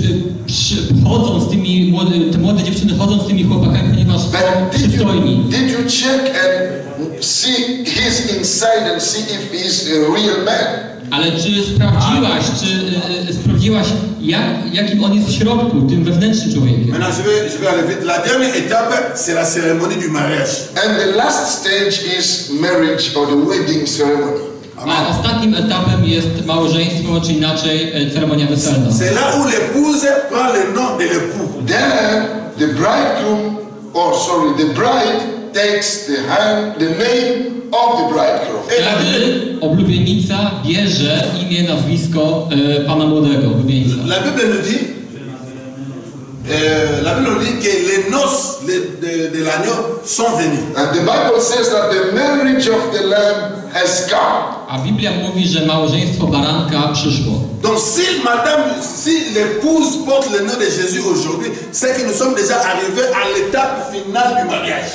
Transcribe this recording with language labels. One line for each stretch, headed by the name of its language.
Polish: One przychodzą z tymi młode dziewczyny chodzą z tymi chłopakami, ponieważ są przystojni.
English: Did you check and see his inside and see if he's a real man?
Polish: Ale czy sprawdziłaś, jakim on jest w środku, tym wewnętrznym człowiekiem?
French: La dernière étape, c'est la cérémonie du mariage.
English: And the last stage is marriage or the wedding ceremony.
Polish: A ostatnim etapem jest małżeństwo, czy inaczej ceremonia weselna.
French: C'est là où l'épouse prend le nom de l'époux.
English: Then the bridegroom, the bride takes the hand, the name of the bridegroom.
Polish: Wtedy oblubienica bierze imię, nazwisko pana młodego, oblubienica.
French: La Bible nous dit, la Bible nous dit que les noces de l'agneau sont venues.
English: And the Bible says that the marriage of the lamb has come.
Polish: A Biblia mówi, że małżeństwo baranka przyszło.
French: Donc si madame, si l'épouse porte le nom de Jésus aujourd'hui, c'est que nous sommes déjà arrivés à l'étape finale du mariage.